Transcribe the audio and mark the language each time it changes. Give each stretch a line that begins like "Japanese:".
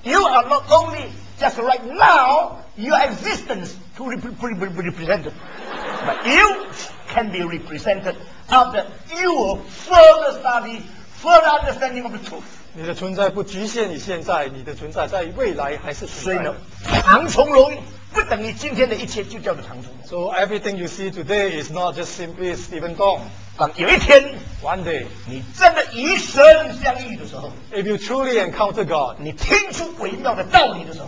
English: You are not only just right now your existence to be represented, but you can be represented after your further study. Full understanding of the truth.
Chinese: 你的存在不局限于现在，你的存在在未来还是存在。所以呢，唐崇荣不等于今天的一切就叫做唐崇荣。
English: So everything you see today is not just simply Stephen Tong.
Chinese: 当有一天
English: ，one day，
Chinese: 你真的与神相遇的时候
English: ，if you truly encounter God，
Chinese: 你听出微妙的道理的时候